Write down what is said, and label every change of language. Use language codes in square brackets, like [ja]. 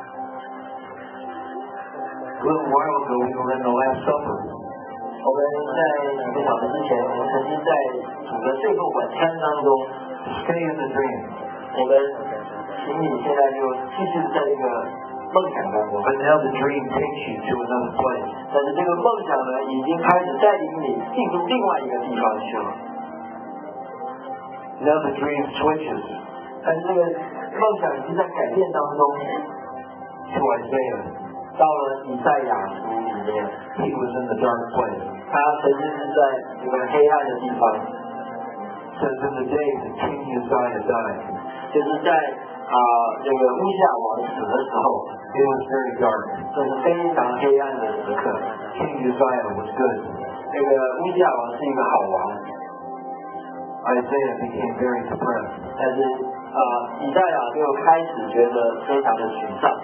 [en] A little while ago, we were in the Last Supper. [zh] 我们在几个小时之前，我们曾经在主的最后晚餐当中。 [en] Stay in the dream. [zh] 我们请你现在就继续在这个梦想当中。 [en] But now the dream takes you to another place. [zh] 但是这个梦想呢，已经开始带领你进入另外一个地方去了。 [en] Now the dream switches. [zh] 但是这个梦想已经在改变当中。 [en] To Isaiah. [zh] 到了以赛亚书里面 [en] ，He was in the dark place. [zh] 他曾经是在一个黑暗的地方。 [en] Says in the day that King Uzziah died. [zh] 就是在这个乌西亚王死的时候 [en] ，It was very dark. [zh] 这是非常黑暗的时刻。 [en] King Uzziah was good. [zh] 这个乌西亚王是一个好王。 [en] Isaiah became very depressed. [zh] 但是以赛亚就开始觉得非常的沮丧，